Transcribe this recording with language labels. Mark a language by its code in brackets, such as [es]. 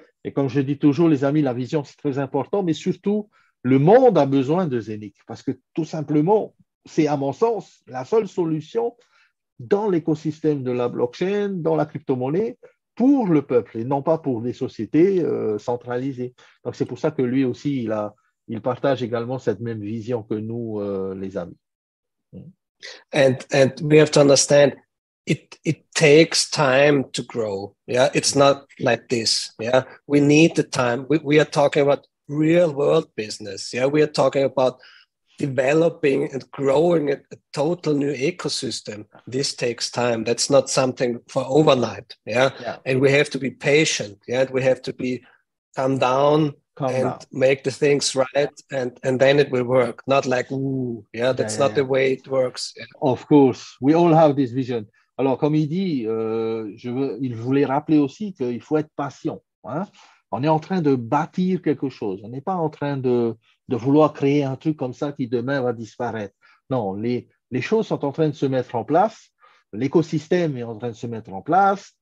[fr] Et comme je dis toujours, les amis, la vision, c'est très important, mais surtout, le monde a besoin de Scenic, parce que tout simplement, c'est à mon sens, la seule solution dans l'écosystème de la blockchain, dans la crypto-monnaie, pour le peuple, et non pas pour des sociétés centralisées. Donc, c'est pour ça que lui aussi, il partage également cette même vision que nous, les amis. [en] And we have to understand it takes time to grow. Yeah, it's not like this. Yeah, we need the time. We are talking about real world business. Yeah, we are talking about developing and growing a total new ecosystem. This takes time. That's not something for overnight. Yeah, yeah. And we have to be patient. Yeah, and we have to be calm down. Make the things right, and then it will work. Not like, ooh, yeah, that's not the way it works. Yeah. Of course, we all have this vision. [fr] Alors, comme il dit, il voulait rappeler aussi qu'il faut être patient. Hein? On est en train de bâtir quelque chose. On n'est pas en train de vouloir créer un truc comme ça qui demain va disparaître. Non, les choses sont en train de se mettre en place. L'écosystème est en train de se mettre en place.